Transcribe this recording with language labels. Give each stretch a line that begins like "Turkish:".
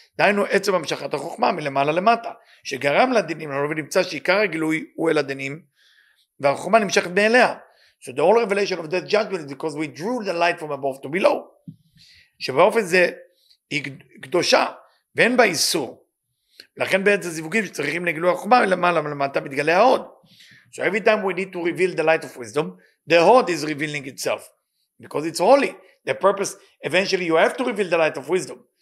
Hebrew: דיינו עצם המשכת החוכמה מלמעלה למטה, שגרם לדינים, ונמצא שעיקר הגילוי הוא אל הדינים, והחוכמה נמשכת מאליה.
English: So the whole revelation of that judgment is because we drew the light from above to below.
Hebrew: שבאופן זה היא קדושה, ואין בה איסור. לכן בעצם זיווגים שצריכים לגילוי החוכמה מלמעלה למטה מתגלה עוד.
English: So every time we need to reveal the light of wisdom, the hod is revealing itself, because it's holy. The purpose, eventually you have to reveal the light of wisdom.